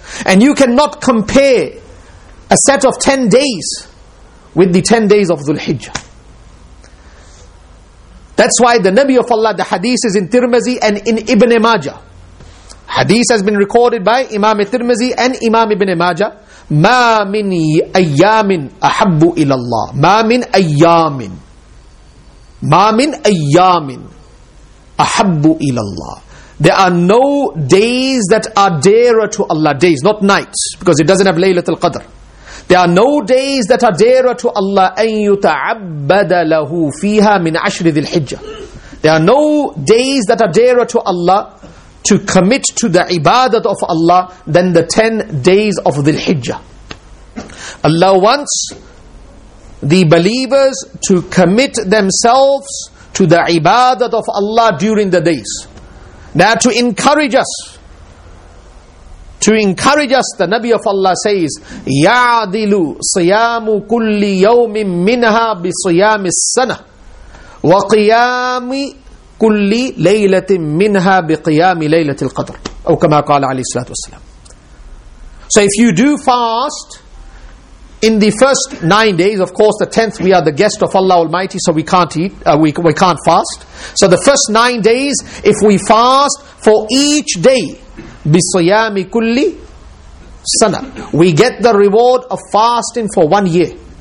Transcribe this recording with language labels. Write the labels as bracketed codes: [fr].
[en] And you cannot compare a set of 10 days with the 10 days of Dhul Hijjah. That's why the Nabi of Allah, the hadith is in Tirmizi and in Ibn Majah. Hadith has been recorded by Imam Tirmizi and Imam Ibn Majah. [ar] مَا مِنْ أَيَّامٍ أَحَبُّ إِلَى اللَّهِ مَا مِنْ أَيَّامٍ مَا مِنْ أَيَّامٍ أَحَبُّ إِلَى اللَّهِ [en] There are no days that are dearer to Allah. Days, not nights, because it doesn't have Laylatul Qadr. There are no days that are dearer to Allah [ar] أَنْ يُتَعَبَّدَ لَهُ فِيهَا مِنْ عَشْرِ ذِي الْحِجَّةِ [en] There are no days that are dearer to Allah to commit to the ibadat of Allah than the 10 days of Dhul Hijjah. Allah wants the believers to commit themselves to the ibadat of Allah during the days. Now to encourage us, the Nabi of Allah says, [ar] يَعْدِلُ صِيَامُ كُلِّ يَوْمٍ مِّنْهَا بِصِيَامِ السَّنَةِ وَقِيَامِ كل ليلة منها بقيام ليلة القدر أو كما قال عليه الصلاة والسلام. [en] So if you do fast in the first 9 days, of course the 10th we are the guest of Allah Almighty, so we can't eat, we can't fast. So the first 9 days, if we fast for each day [ar] بصيام كل سنة, [en] we get the reward of fasting for 1 year.